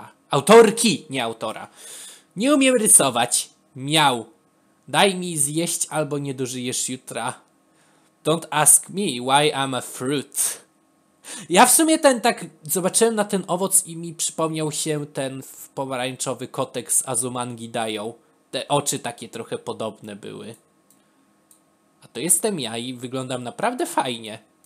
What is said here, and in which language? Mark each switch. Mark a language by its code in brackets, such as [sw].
[pl] Autorki, nie autora. Nie umiem rysować, miał. Daj mi zjeść albo nie dożyjesz jutra. [en] Don't ask me why I'm a fruit. [pl] Ja w sumie zobaczyłem na ten owoc i mi przypomniał się ten pomarańczowy kotek z Azumangi Daio. Te oczy takie trochę podobne były. To jestem ja i wyglądam naprawdę fajnie.